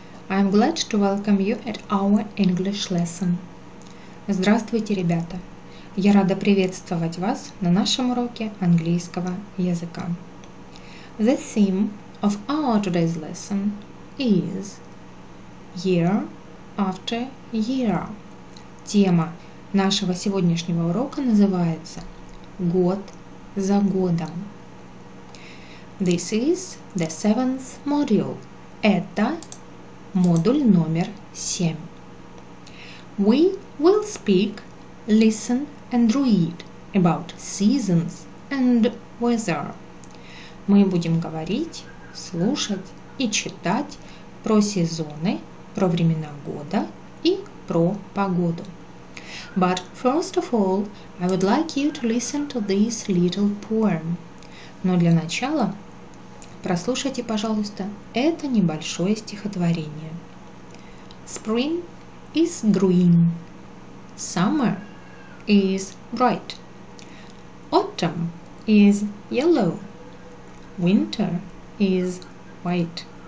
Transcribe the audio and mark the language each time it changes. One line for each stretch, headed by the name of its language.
English: I'm glad to welcome you at our English lesson.
Russian: Здравствуйте, ребята. Я рада приветствовать вас на нашем уроке английского языка.
English: The theme of our today's lesson is year after year.
Russian: Тема нашего сегодняшнего урока называется «Год за годом».
English: This is the seventh module.
Russian: Это модуль номер 7.
English: We will speak, listen and read about seasons and weather.
Russian: Мы будем говорить, слушать и читать про сезоны, про времена года и про погоду.
English: But first of all, I would like you to listen to this little poem.
Russian: Но для начала прослушайте, пожалуйста, это небольшое стихотворение.
English: Spring is green. Summer is bright. Autumn is yellow. Winter is white.